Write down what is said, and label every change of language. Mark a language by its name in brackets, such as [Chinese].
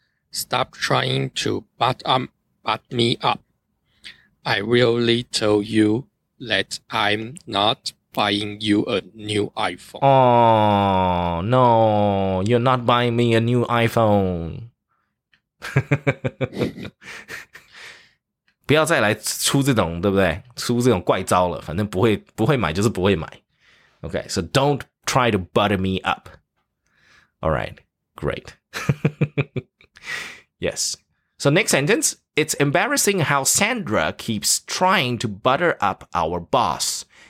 [English] Stop trying to butt me up. I really tell you that I'm not buying you a new iPhone. Oh, no, you're not buying me a new iPhone. [Chinese] 不要再来出这种对不对出这种怪招了反正不会买就是不会买。 [English] Okay, so don't try to butter me up. Alright, great. Yes. So next sentence, it's embarrassing how Sandra keeps trying to butter up our boss.